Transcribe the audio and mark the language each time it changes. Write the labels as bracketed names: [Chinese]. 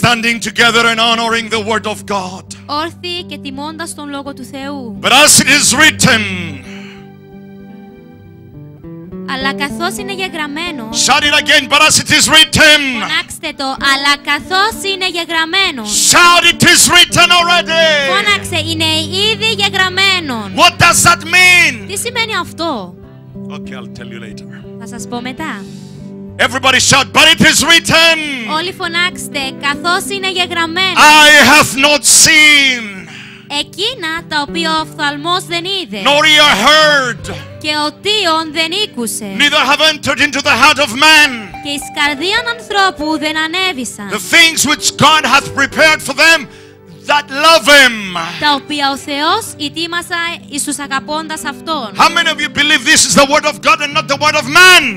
[English] Standing together and honoring the word of God. [Greek] Όρθιοι και τιμώντας τον λόγο του Θεού. [English] But as it is written. [Greek] Αλλά καθώς είναι γεγραμμένο. [English] Shout it again, but as it is written. [Greek] Φώναξτε το. Αλλά καθώς είναι γεγραμμένο. [English] Shout it is written already. [Greek] Φώναξε, είναι ήδη γεγραμμένο. [English] What does that mean? [Greek] Τι σημαίνει αυτό; [English] Okay, I'll tell you later. [Greek] Θα σας πω μετά. [English] Everybody shout, but it is written. [Greek] Όλοι φωνάξτε, καθώς είναι γεγραμμένο. [English] I have not seen. [Greek] Εκείνα τα οποία ο οφθαλμός δεν είδε. [English] Nor ear heard. [Greek] Και οτίον δεν ήκουσε. [English] Neither have entered into the heart of man. [Greek] Και εις καρδίαν ανθρώπου δεν ανέβησαν. [English] The things which God hath prepared for them that love him. [Greek] Τα οποία ο Θεός ετοίμασα εις τους αγαπώντας αυτόν. [English] How many of you believe this is the word of God and not the word of man?